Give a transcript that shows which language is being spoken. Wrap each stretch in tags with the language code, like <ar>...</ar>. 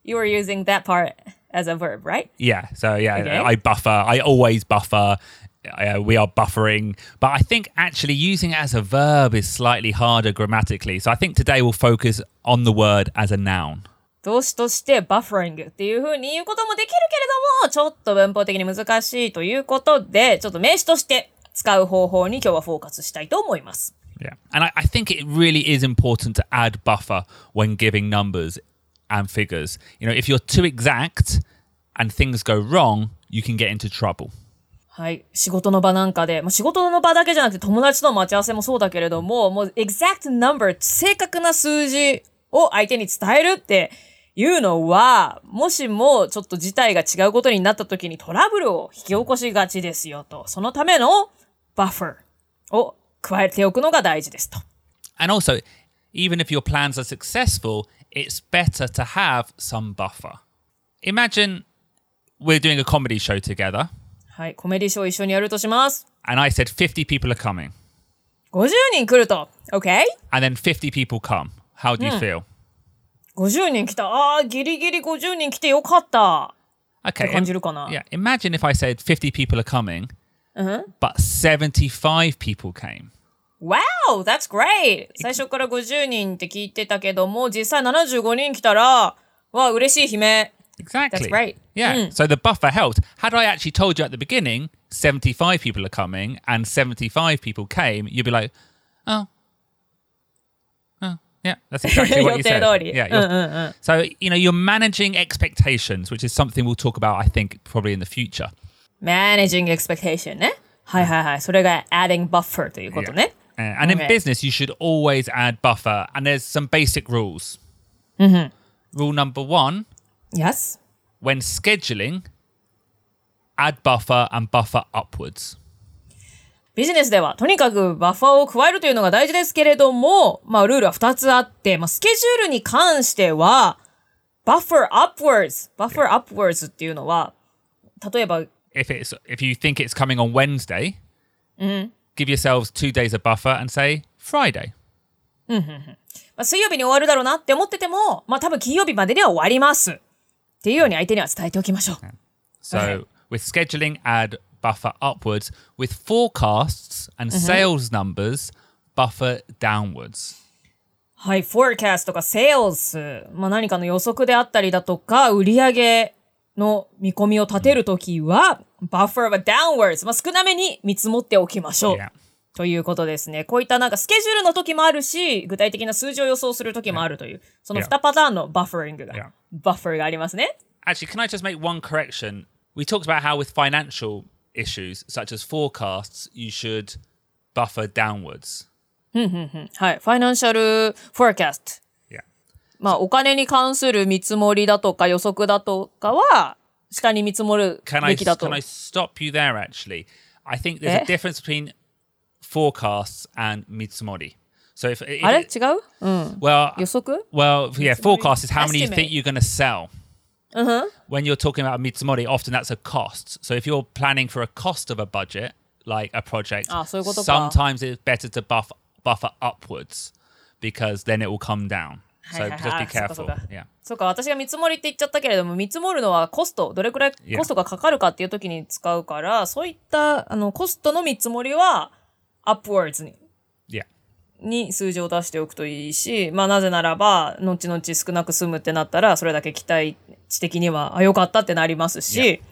<en>You were using that part as a verb, right? Yeah, so yeah,、okay. I buffer. I always buffer. We are buffering. But I think actually using it as a verb is slightly harder grammatically. So I think today we'll focus on the word as a noun.</en> <ja>動詞としてバッファリングっていうふうに言うこともできるけれども、ちょっと文法的に難しいということで、ちょっと名詞として使う方法に今日はフォーカスしたいと思います。</ja> <en>Yeah. And I think it really is important to add buffer when giving numbers and figures. You know, if you're too exact and things go wrong, you can get into trouble.</en> <ja>はい。仕事の場なんかで、まあ、仕事の場だけじゃなくて友達との待ち合わせもそうだけれども、もう exact number、正確な数字を相手に伝えるっていうのは、もしもちょっと事態が違うことになった時にトラブルを引き起こしがちですよと。そのためのバッファーを加えておくのが大事ですと。</ja> <en>And also, even if your plans are successful, it's better to have some buffer. Imagine we're doing a comedy show together.</en> <ja>はい、コメディショーを一緒にやるとします。</ja> <en>And I said 50 people are coming.</en> <ja>50人来ると。</ja> <en>Okay? And then 50 people come. How do you feel?</en> <ja>50人来た。ああ、ギリギリ50人来てよかった。</ja> <en>Okay.</en> <ja>って感じるかな。</ja> <en>Yeah. Imagine if I said 50 people are coming, but 75 people came. Wow! That's great!</en> <ja>最初から50人って聞いてたけども、実際75人来たら、わあ、嬉しい悲鳴。</ja> <en>Exactly. That's right. Yeah.、Mm. So the buffer helped. Had I actually told you at the beginning, 75 people are coming and 75 people came, you'd be like, oh. Yeah, that's exactly what you said. Yeah, so, you know, you're managing expectations, which is something we'll talk about, I think, probably in the future. Managing expectation,</en> <ja>ne? はいはいはい。それが adding buffer ということね。</ja> <en>Yeah. And in business, you should always add buffer. And there's some basic rules.、Rule number one, Yes. When scheduling, add buffer and buffer upwards.</en> <ja>ビジネスではとにかくバッファーを加えるというのが大事ですけれども、まあルールは2つあって、まあスケジュールに関しては、buffer upwards、buffer upwards っていうのは、例えば、</ja> <en>if you think it's coming on Wednesday,、 mm-hmm. give yourselves 2 days of buffer and say Friday.</en> <ja>まあ水曜日に終わるだろうなって思ってても、まあ多分金曜日までには終わります。っていうように相手には伝えておきましょう。</ja> <en>So, with scheduling, add buffer upwards. With forecasts and sales numbers, buffer downwards.</en> <ja>はい、forecast とか sales、まあ、何かの予測であったりだとか、売上の見込みを立てるときは、buffer は downwards。まあ、少なめに見積もっておきましょう。</ja> <en>Yeah.</en> <ja>ということですね。こういったなんかスケジュールのときもあるし、具体的な数字を予想するときもあるという、yeah. その2パターンの buffering が。</ja> <en>Yeah.</en> <ja>Buffer がありますね。</ja> <en>Actually, can I just make one correction? We talked about how with financial issues, such as forecasts, you should buffer downwards.</en> <ja>はい、financial forecast.</ja> <en>Yeah.</en> <ja>まあ、お金に関する見積もりだとか予測だとかは下に見積もるべきだと。</ja> <en>Can I stop you there, actually? I think there's a difference between forecasts and 見積もり。 So if</en> <ja>あれ違う？うん。</ja> <en>Well,</en> <ja>予測？</ja> <en>Well, yeah, forecast is how many you think you're going to sell. Uh-huh. When you're talking about 見積もり, often that's a cost. So if you're planning for a cost of a budget, like a project,</en> <ja>ああ、そういうことか。</ja> <en>sometimes it's better to buffer upwards because then it will come down. So</en> <ja>はいはいはい、</ja> <en>just be careful.</en> <ja>そうか、私が見積もりって言っちゃったけれども、見積もるのはコスト、どれくらいコストがかかるかっていう時に使うから、そういったあのコストの見積もりは upwards に。に数字を出しておくといいし、まあなぜならば、後々少なく済むってなったら、それだけ期待値的には、あ、よかったってなりますし、</ja>